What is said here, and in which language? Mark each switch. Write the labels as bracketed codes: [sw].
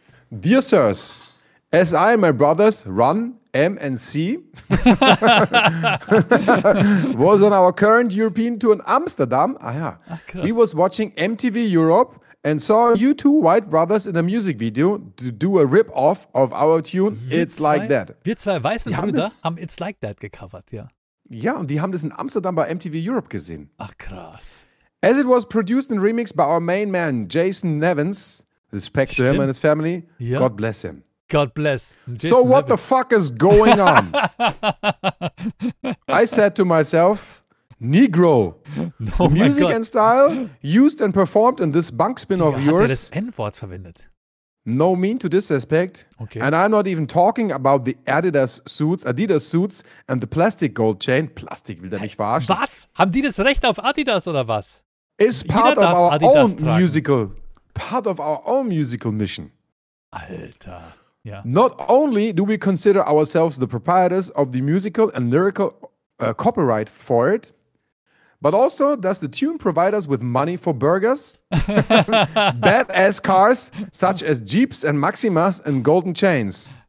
[en] Dear Sirs, as I and my brothers run MNC, was on our current European tour in Amsterdam. [de] Ah ja. Ach, krass. [en] We was watching MTV Europe and saw you two white brothers in a music video to do a rip-off of our tune It's Like That. [de] Wir zwei weißen Brüder haben It's Like That gecovert, ja. Ja, und die haben das in Amsterdam bei MTV Europe gesehen. Ach, krass. [en] As it was produced and remixed by our main man, Jason Nevins, respect to him and his family, God bless him. God bless. Jason so what Nevins. The fuck is going on? I said to myself, Negro, the music and style used and performed in this bunk spin of yours. [de] Hat er das N-Wort verwendet? [en] No mean to disrespect, okay. And I'm not even talking about the Adidas suits and the plastic gold chain. [de] Plastik, will der mich verarschen? Was? Haben die das Recht auf Adidas oder was? [en] Is part of our own musical, part of our own musical mission. [de] Alter, ja. [en] Not only do we consider ourselves the proprietors of the musical and lyrical copyright for it, but also does the tune provide us with money for burgers, badass cars such as Jeeps and Maximas and golden chains.